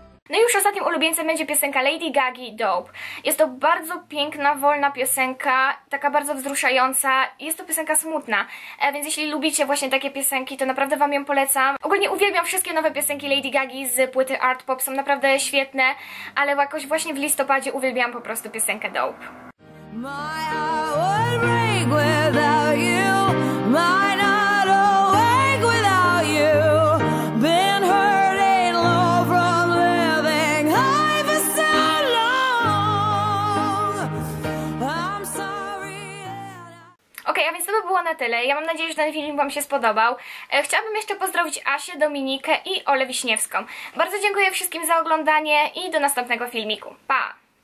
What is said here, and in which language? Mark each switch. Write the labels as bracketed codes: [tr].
[pl] No i już ostatnim ulubieńcem będzie piosenka Lady Gaga Dope. Jest to bardzo piękna, wolna piosenka, taka bardzo wzruszająca. Jest to piosenka smutna, więc jeśli lubicie właśnie takie piosenki, to naprawdę Wam ją polecam. Ogólnie uwielbiam wszystkie nowe piosenki Lady Gaga z płyty Art Pop, są naprawdę świetne, ale jakoś właśnie w listopadzie uwielbiam po prostu piosenkę Dope. [en] My heart would break without you. Might not awake without you. Been hurt in love from living high for so long. I'm sorry. [pl] Okej, a więc to by było na tyle. Ja mam nadzieję, że ten film Wam się spodobał. Chciałabym jeszcze pozdrowić Asię, Dominikę i Olę Wiśniewską. Bardzo dziękuję wszystkim za oglądanie i do następnego filmiku. Pa!